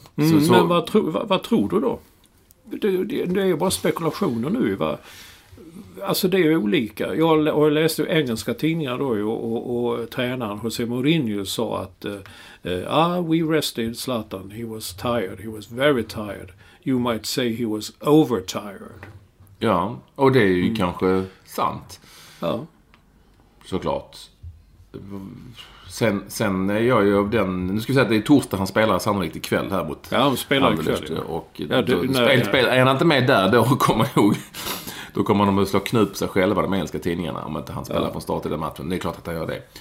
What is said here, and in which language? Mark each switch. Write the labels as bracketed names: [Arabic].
[Swedish] Men vad tror du då? Det är ju bara spekulationer nu, va? Alltså det är olika. Jag läste ju engelska tidningar då, och tränaren José Mourinho sa att [English] we rested Zlatan, he was tired, he was very tired. You might say he was overtired. [Swedish] Ja, och det är ju kanske sant. Ja. Såklart. Sen är jag ju av den... Nu ska vi säga att det är torsdag han spelar sannolikt ikväll här mot... Ja, han spelar ikväll. Är han inte med där då, kommer jag ihåg... Då kommer de att slå knut på sig själva, de engelska tidningarna, om att han spelar från start i den matchen. Det är klart att han gör det.